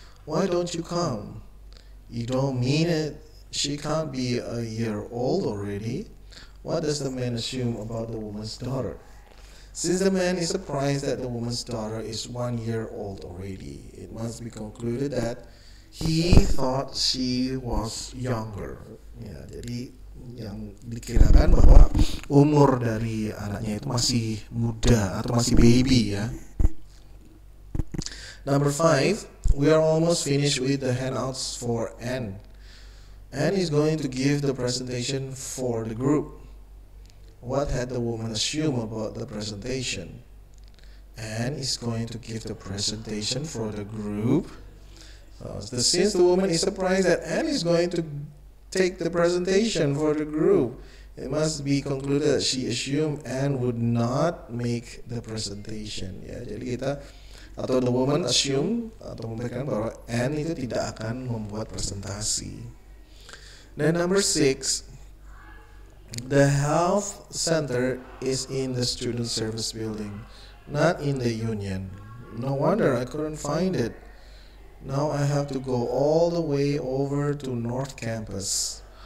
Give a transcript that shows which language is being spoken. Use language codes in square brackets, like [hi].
[en] Why don't you come? You don't mean it? She can't be a year old already. What does the man assume about the woman's daughter? Since the man is surprised that the woman's daughter is 1 year old already, it must be concluded that he thought she was younger. [id] Yeah, jadi yang dikirakan bahwa umur dari anaknya itu masih muda atau masih baby, ya. [en] Number 5, we are almost finished with the handouts for N. and is going to give the presentation for the group. What had the woman assumed about the presentation? Anne is going to give the presentation for the group. Since the woman is surprised that Anne is going to take the presentation for the group, it must be concluded that she assumed Anne would not make the presentation. [id] Yeah, jadi kita atau [en] the woman assume [id] atau memberikan bahwa Anne itu tidak akan membuat presentasi. [en] Then number 6, the health center is in the student service building, not in the union. No wonder I couldn't find it. Now I have to go all the way over to North Campus.